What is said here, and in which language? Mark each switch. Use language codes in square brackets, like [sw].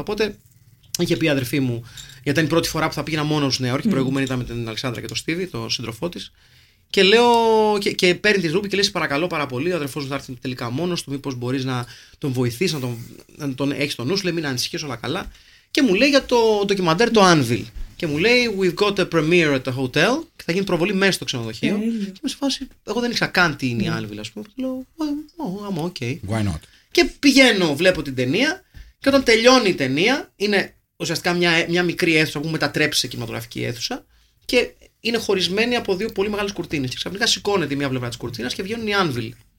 [el] Οπότε είχε πει η αδερφή μου, γιατί ήταν η πρώτη φορά που θα πήγαινα μόνος στη Νέα Υόρκη, προηγούμενη ήταν με την Αλεξάνδρα και τον Στίβη, τον σύντροφό της. Και λέω, και παίρνει τη Ρούμπι και λέει: παρακαλώ πάρα πολύ, ο αδερφός μου θα έρθει τελικά μόνος του. Μήπως μπορείς να τον βοηθήσεις, να τον έχεις στο νου σου. Λέει: μην ανησυχείς, όλα καλά. Και μου λέει για το ντοκιμαντέρ το Anvil. Και μου λέει: [en] we've got a premiere at the hotel. [el] Και θα γίνει προβολή μέσα στο ξενοδοχείο. Και είμαι σε φάση: εγώ δεν ήξερα καν τι είναι η Anvil, ας πούμε. Λέω: okay. [en] Why not? [el] Και πηγαίνω, βλέπω την ταινία. Και όταν τελειώνει η ταινία, είναι ουσιαστικά μια μικρή αίθουσα που μετατρέψει σε κινηματογραφική αίθουσα. Και είναι χωρισμένη από δύο πολύ μεγάλες κουρτίνες. Και ξαφνικά σηκώνεται η μία πλευρά της κουρτίνας και βγαίνουν οι Anvil.